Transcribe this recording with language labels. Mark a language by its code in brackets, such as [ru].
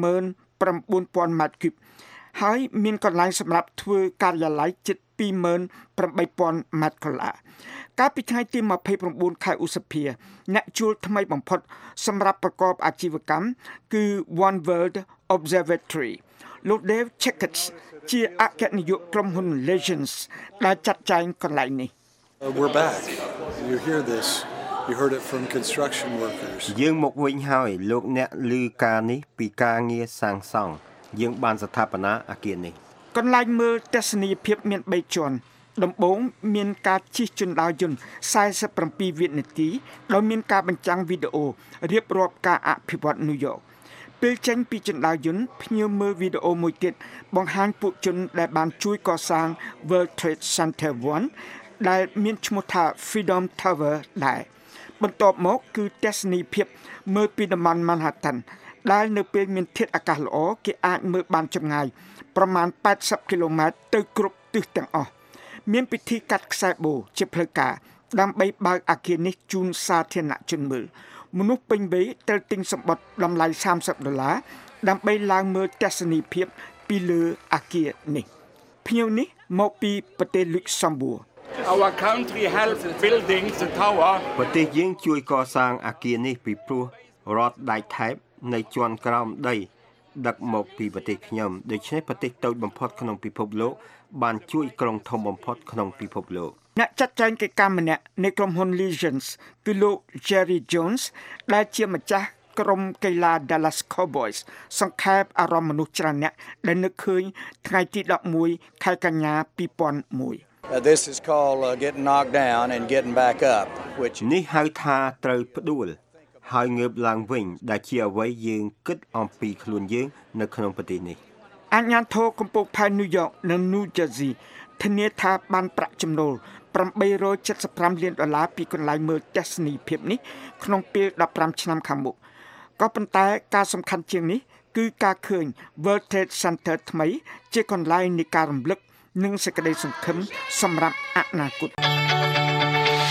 [km] 159,000 ម៉ែត្រគូបហើយមានកន្លែងសម្រាប់ធ្វើការិយាល័យជិត 28,000 ម៉ែត្រគូបកាលពីថ្ងៃទី29ខែឧសភាអ្នកជួលថ្មីបំផុតសម្រាប់ប្រកបអាជីវកម្មគឺ One World Observatory លោក Dave Checkett ជាអគ្គនាយកក្រុមហ៊ុន Legends ដែលចាត់ចែងកន្លែងនេះ [en] We're back. You hear this. You heard it from construction workers. [km] យើងមកវិញហើយលោកអ្នកឮការនេះពីការងារសាងសង់យើងបានស្ថាបនាអគារនេះ កន្លែងមើលទស្សនីយភាពមាន3ជាន់ដំបូងមានការជិះជណ្ដើរយន្ត47វិនាទីដោយមានការបញ្ចាំងវីដេអូរៀបរាប់ការអភិវឌ្ឍន៍ New York ពេលចេញពីជណ្ដើរយន្តភ្ញៀវមើលវីដេអូមួយទៀតបង្ហាញពួកជនដែលបានជួយកសាង World Trade Center 1ដែលមានឈ្មោះថា Freedom Tower ដែរ បន្ទាប់មកគឺទស្សនីយភាពមើលពីតំបន់ Manhattan ដែលនៅពេលមានធាតុអាកាសល្អគេអាចមើលបានចម្ងាយប្រមាណ80គីឡូម៉ែត្រទៅគ្រប់ ទិសទាំងអស់មានពិធីកាត់ខ្សែបូជាផ្លូវការដើម្បីបើកអគារនេះជូនសាធារណជនមើលមនុស្សពេញវ័យត្រូវទិញសម្បត្តិតម្លៃ30ដុល្លារដើម្បីឡើងមើលទស្សនីយភាពពីលើអគារនេះភ្ញៀវនេះមកពីប្រទេសលុចសំបួរ [en] Our country helped building the tower. [km] ប្រទេសយើងជួយកសាងអគារនេះពីព្រោះរដ្ឋដាច់ថែបនៅជាន់ក្រោមដីដឹកមកពីប្រទេសខ្ញុំដូច្នេះប្រទេសតូចបំផុតក្នុងពិភពលោកបានជួយក្រុងធំបំផុតក្នុងពិភពលោក អ្នកចាត់ចែងកិច្ចការម្នាក់នៃក្រុមហ៊ុន Legends គឺលោក Jerry Jones ដែលជាម្ចាស់ក្រុមកីឡា Dallas Cowboys សង្ខេបអារម្មណ៍មនុស្សច្រើនអ្នកដែលនឹកឃើញថ្ងៃទី11ខែកញ្ញា2001 [en] This is called getting knocked down and getting back up which [km] នេះហៅថាត្រូវផ្ដួលហើយងើបឡើងវិញដែលជាអ្វីយើងគិតអំពីខ្លួនយើងនៅក្នុងប្រទេសនេះ អាញាធរកំពូលផែននីយ៉កនិងញូវជឺស៊ីធានាថាបានប្រាក់ចំណូល875លានដុល្លារពីកន្លែងមើលទស្សនីយភាពនេះក្នុងពេល15ឆ្នាំខាងមុខក៏ប៉ុន្តែការសំខាន់ជាងនេះគឺការឃើញ World Trade Center ថ្មីជាកន្លែងនៃការរំលឹកនឹងសេចក្តីសង្ឃឹមសម្រាប់អនាគត